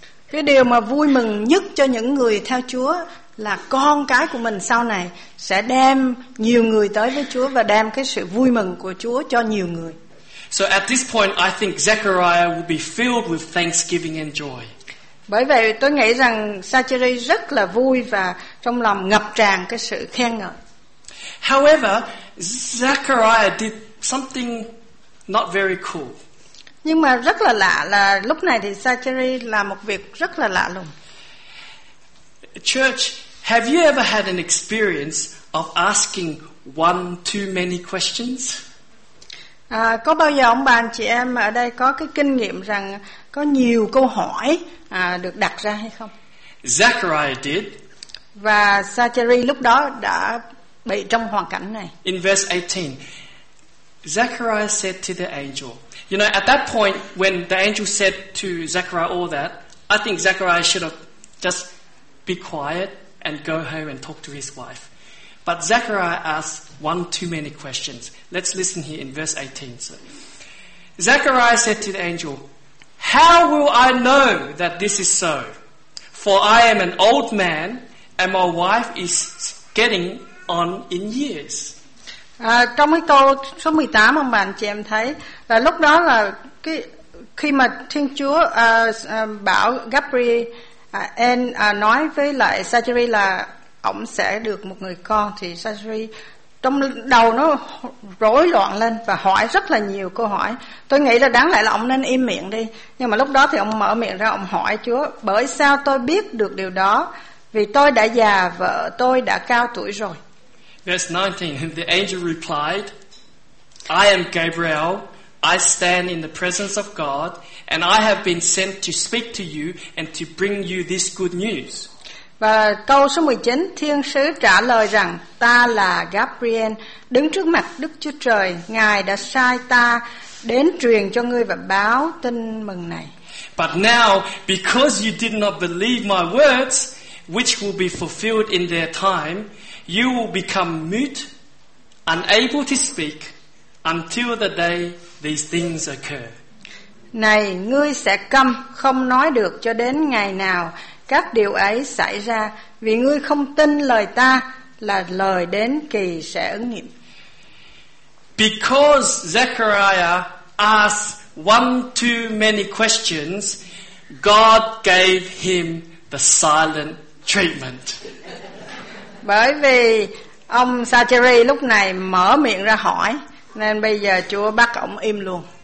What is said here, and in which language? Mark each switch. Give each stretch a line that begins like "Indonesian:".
Vietnamese: Cái điều mà vui mừng nhất cho những người theo Chúa là con cái của mình sau này sẽ đem nhiều người tới với Chúa và đem cái sự vui mừng của Chúa cho nhiều người.
English: So at this point I think Zechariah will be filled with thanksgiving and joy.
Vietnamese: Bởi vậy tôi nghĩ rằng Zachary rất là vui và trong lòng ngập tràn cái sự khen ngợi.
English: However, Zechariah did something not very cool.
Vietnamese: Nhưng mà rất là lạ là lúc này thì Zachary làm một việc rất là lạ lùng.
English: Church, have you ever had an experience of asking one too many questions?
Vietnamese: Có bao giờ ông bà anh chị em ở đây có cái kinh nghiệm rằng có nhiều câu hỏi được đặt ra hay không?
English: Zachariah did.
Vietnamese: Và Zachary lúc đó đã bị trong hoàn cảnh này.
English: In verse 18, Zachariah said to the angel. You know, at that point when the angel said to Zachariah all that, I think Zachariah should have just be quiet and go home and talk to his wife. But Zechariah asked one too many questions. Let's listen here in verse 18. So, Zechariah said to the angel, "How will I know that this is so? For I am an old man, and my wife is getting on in years."
Vietnamese: Trong cái câu số 18, ông bạn chị em thấy là lúc đó là cái khi mà Thiên Chúa bảo Gabriel nói với lại Zachary là ổng sẽ được một người con, thì Zachary trong đầu nó rối loạn lên và hỏi rất là nhiều câu hỏi. Tôi nghĩ là đáng lẽ là ổng nên im miệng đi, nhưng mà lúc đó thì ổng mở miệng ra, ổng hỏi Chúa: "Bởi sao tôi biết được điều đó? Vì tôi đã già, vợ tôi đã cao tuổi rồi."
English: Verse 19, the angel replied, "I am Gabriel. I stand in the presence of God, and I have been sent to speak to you and to bring you this good news."
Vietnamese: Và câu số 19, thiên sứ trả lời rằng: "Ta là Gabriel, đứng trước mặt Đức Chúa Trời. Ngài đã sai ta đến truyền cho ngươi và báo tin mừng này."
English: But now, because you did not believe my words, which will be fulfilled in their time, you will become mute, unable to speak, until the day these things occur.
Vietnamese: Này, ngươi sẽ câm, không nói được cho đến ngày nào các điều ấy xảy ra, vì ngươi không tin lời ta, là lời đến kỳ sẽ ứng nghiệm.
English: Because Zechariah asked one too many questions, God gave him the silent treatment.
Vietnamese: Bởi vì ông Zachary lúc này mở miệng ra hỏi, nên bây giờ Chúa bắt ông im luôn.